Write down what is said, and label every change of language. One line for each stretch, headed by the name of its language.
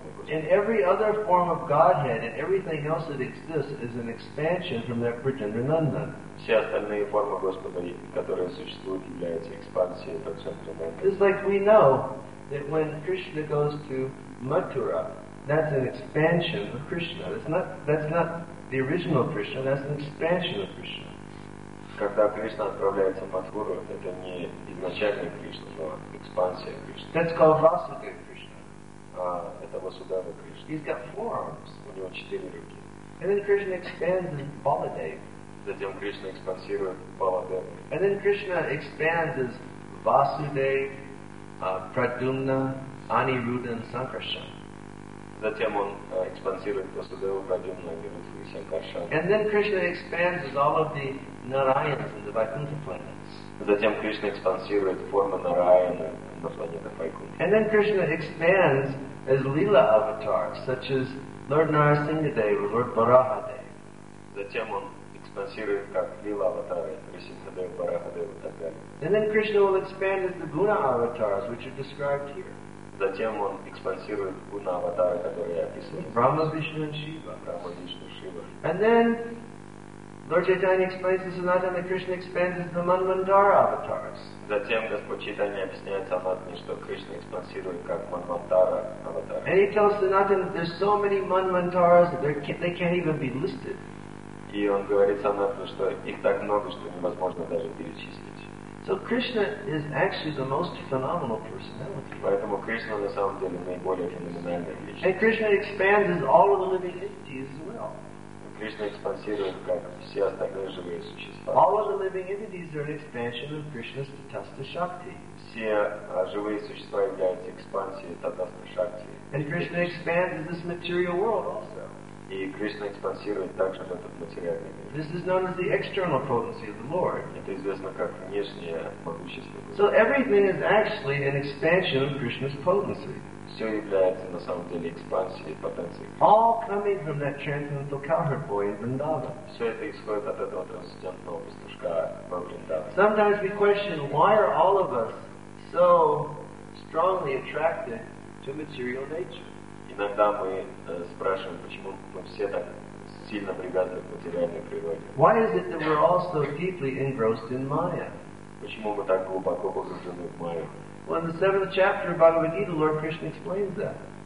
English: And every other form of Godhead and everything else that exists is an expansion from that Brijendra Nandan.
Russian: Все остальные формы Господа, которые существуют, являются экспансией этого Брджендра Нандана.
English: It's like we know that when Krishna goes to Mathura, that's an expansion of Krishna. That's not the original Krishna. That's an expansion of Krishna.
Russian: Когда Кришна отправляется в Матхуру, это не изначальный Кришна, но экспансия Кришны.
English: That's called Vasudeva Krishna.
Russian: Это Васудева Кришна.
English: He's got four arms.
Russian: У него четыре руки.
English: And then Krishna expands as Baladeva.
Russian: Затем Кришна экспансирует Баладеву.
English: And then Krishna expands as Vasudeva, Pradyumna, Aniruddha, and Sankarsan.
Russian: Затем он экспансирует Васудеву, Прадюмна, Анируддху и Сангаршан.
English: And then Krishna expands as all of the Narayans and the Vaikuntha planets.
Russian: Затем Кришна экспансирует формы Нараяна на планетах Вайкунта.
English: And then Krishna expands as Lila avatars, such as Lord Narasimhadeva, Lord Varahadeva.
Russian: Затем он экспансирует как Лила аватары, Нарасимхадева, Варахадева и так далее.
English: And then Krishna will expand as the Guna avatars, which are described here.
Russian: Затем он экспансирует Guna аватары, которые описаны.
English: Brahma, Vishnu, and Shiva.
Russian: Brahma, Vishnu, Shiva.
English: And then Lord Chaitanya explains this and that Krishna expands as the Manvantara avatars.
Russian: Затем Господь Чайтанья объясняет Санатане, что Кришна экспансирует как Манвантара аватар.
English: And he tells Sanatana that there's so many Manvantaras that they can't even be listed.
Russian: И он говорит Санатане, что их так много, что невозможно даже перечислить.
English: So Krishna is actually the most phenomenal personality.
Russian: Поэтому Кришна на самом деле наиболее феноменальная личность.
English: And Krishna expands as all of the living entities as well.
Russian: Кришна экспансирует как все остальные живые существа.
English: All of the living entities are an expansion of Krishna's Tattvastha Shakti.
Russian: Все живые существа являются экспансией Tattvastha Shakti.
English: And Krishna expands in this material world also.
Russian: И Кришна экспансирует также в этот материальный мир.
English: This is known as the external potency of the Lord.
Russian: Это известно как внешнее могущество.
English: So everything is actually an expansion of Krishna's potency.
Russian: Все является на самом деле экспансией потенции.
English: All coming from that transcendental cowherd boy in Vrindavan.
Russian: Все это исходит от этого трансцендентного пастушка во Вриндаване.
English: Sometimes we question why are all of us so strongly attracted to material nature.
Russian: Иногда мы спрашиваем, почему мы все так сильно привязаны к материальной природе.
English: Why is it that we're all so deeply engrossed in Maya?
Russian: Почему мы так глубоко погружены в Майю?
English: Well, in the 7th chapter of Bhagavad Gita, Lord Krishna explains that.